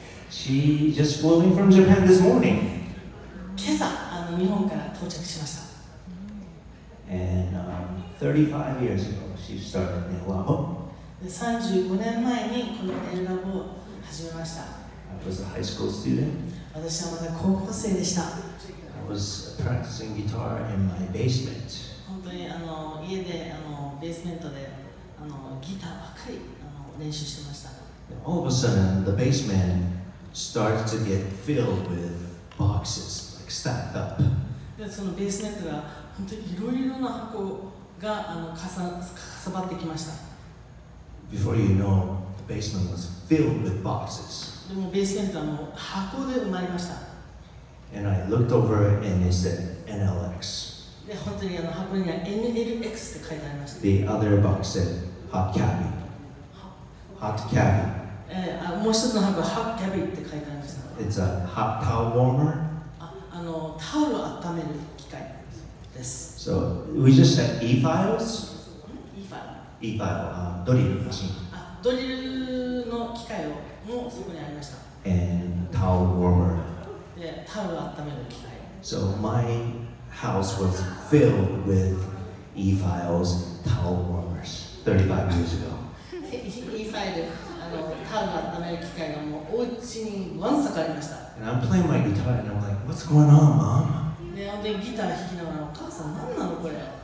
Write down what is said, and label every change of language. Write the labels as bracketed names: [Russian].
[English] She just flew in from Japan this morning. [Japanese] 今朝、日本から到着しました。 [English] And 35 years ago, she started the lab. [Japanese] 35年前にこのエンラボ始めました。 [English] I was a high school student. [Japanese] 私はまだ高校生でした。 [English] I was practicing guitar in my basement. [Japanese] 本当に家でベースメントでギターばかり練習してました。 [English] And all of a sudden, the basement started to get filled with boxes, like stacked up. [Japanese] で、そのベースメントが本当にいろいろな箱がかさばってきました。 [English] Before you know. Basement was filled with boxes. [Japanese] でもベースメントはもう箱で埋まりました。 [English] And I looked over and it said NLX. [Japanese] で本当に箱には NLX って書いてありました。 [English] The other box said Hot Cabby. Hot Cabby. [Japanese] もう一つの箱は Hot Cabby って書いてありました。 [English] It's a hot towel warmer. [Japanese] タオルを温める機械です。 [English] So we just said e-files. E-file. [Japanese] ドリルマシン。ドリルの機械をもそこにありました。 [English] And towel warmer. [Japanese] で、タオルを温める機械。 [English] So my house was filled with e-files towel warmers 35 years ago. [Japanese] e-file タオルを温める機械がもうお家にわんさかありました。 [English] And I'm playing my guitar and I'm like, what's going on, mom? [Japanese] で、本当にギター弾きながらお母さん何なのこれ。